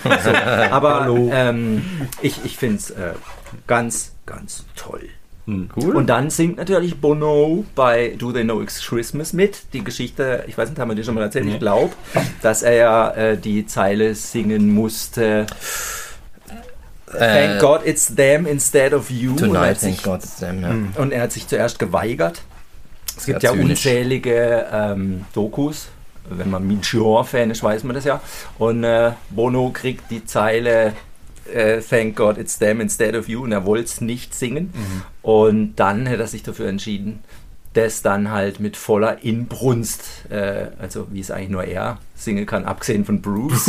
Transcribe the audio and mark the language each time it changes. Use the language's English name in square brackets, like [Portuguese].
[German] So, aber ich finde es ganz, ganz toll. Cool. Und dann singt natürlich Bono bei Do They Know It's Christmas mit. Die Geschichte, ich weiß nicht, haben wir die schon mal erzählt? Nee. Ich glaube, dass er ja die Zeile singen musste. [English] Thank God it's them instead of you. Tonight, thank God it's them, ja. [German] Und er hat sich zuerst geweigert. Es gibt ja unzählige Dokus. Wenn man Mincior-Fan ist, weiß man das ja. Und Bono kriegt die Zeile... [English] Thank God it's them instead of you, [German] und er wollte es nicht singen. [English] Mhm. [German] Und dann hat er sich dafür entschieden, das dann halt mit voller Inbrunst, also wie es eigentlich nur er singen kann, abgesehen von Bruce.